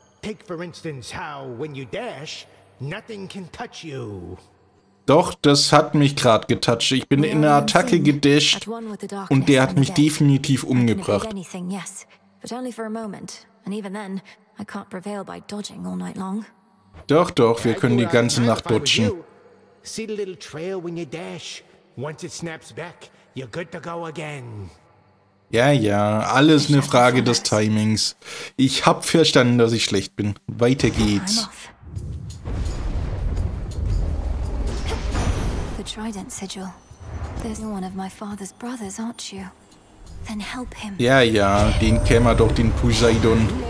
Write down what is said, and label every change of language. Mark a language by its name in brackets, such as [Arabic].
[English] Take for instance how when you dash, nothing can touch you. [German] Doch, das hat mich gerade getoucht. Ich bin in eine Attacke gedasht und der hat mich definitiv umgebracht. Doch, doch, wir können die ganze Nacht dutschen. [English] See the little trail when you dash. Once it snaps back, you're good to go again. [German] Ja, ja, alles eine Frage des Timings. Ich hab verstanden, dass ich schlecht bin. Weiter geht's. [English] The Trident Sigil. There's one of my father's brothers, aren't you? Then help him. [German] Ja, ja, den kennen wir doch, den Poseidon.